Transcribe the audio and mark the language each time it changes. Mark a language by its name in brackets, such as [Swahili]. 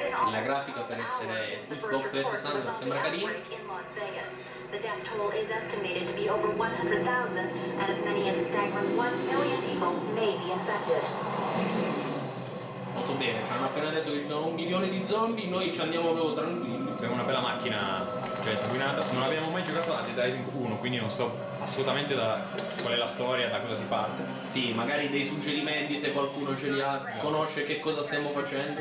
[Italian] La grafica per essere Xbox 360 sembra carina. [English] The death toll is estimated to be over 100,000, and as many as a staggering 1 million people may be infected. [Italian] Molto bene, ci hanno appena detto che ci sono 1 milione di zombie, noi ci andiamo proprio tranquilli. Abbiamo una bella macchina già insanguinata. Non abbiamo mai giocato a Dead Rising 1, quindi non so assolutamente da qual è la storia, da cosa si parte. Sì, magari dei suggerimenti se qualcuno ce li ha, conosce che cosa stiamo facendo.